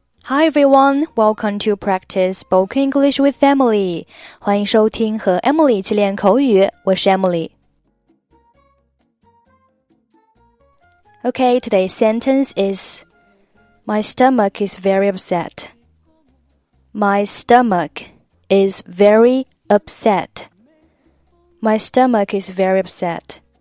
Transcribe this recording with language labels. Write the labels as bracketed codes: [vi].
[en] Hi everyone, welcome to practice spoken English with Emily. [zh] 欢迎收听和 Emily 一起练口语，我是 Emily. [en] Okay, today's sentence is, My stomach is very upset. My stomach is very upset. My stomach is very upset.